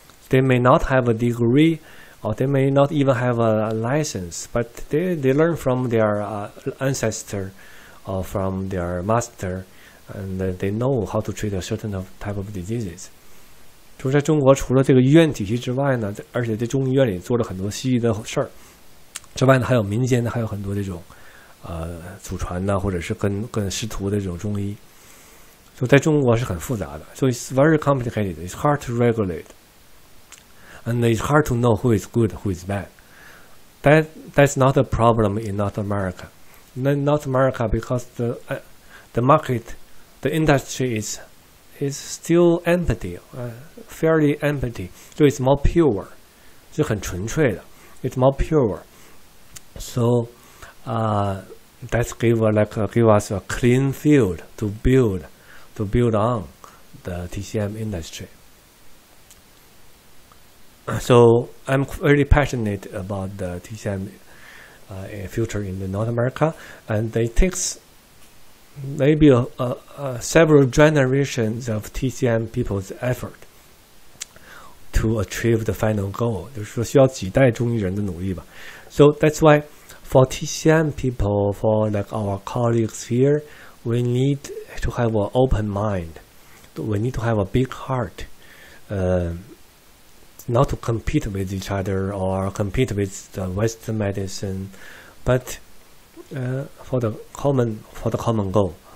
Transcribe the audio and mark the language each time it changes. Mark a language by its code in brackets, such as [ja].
[en] They may not have a degree or they may not even have a license, but they learn from their ancestor or from their master, and they know how to treat a certain type of diseases. [zh] 就在中国除了这个医院体系之外呢，而且在中医院里做了很多西医的事儿之外呢，还有民间的还有很多这种祖传呢，或者是跟师徒的这种中医，就在中国是很复杂的。 [en] So it's very complicated. It's hard to regulate, and it's hard to know who is good, who is bad. That's not a problem in North America. In North America, because the market, the industry is still empty, fairly empty. So it's more pure, [zh] 是很纯粹的。 [en] It's more pure. That's give us a clean field to build on the TCM industry. So I'm really passionate about the TCM in future in the North America, and it takes maybe several generations of TCM people's effort to achieve the final goal. [zh] 就是说需要几代中医人的努力吧。 [en] So that's why for TCM people, for like our colleagues here, we need to have an open mind. We need to have a big heart. Not to compete with each other or compete with the Western medicine, but for the common goal.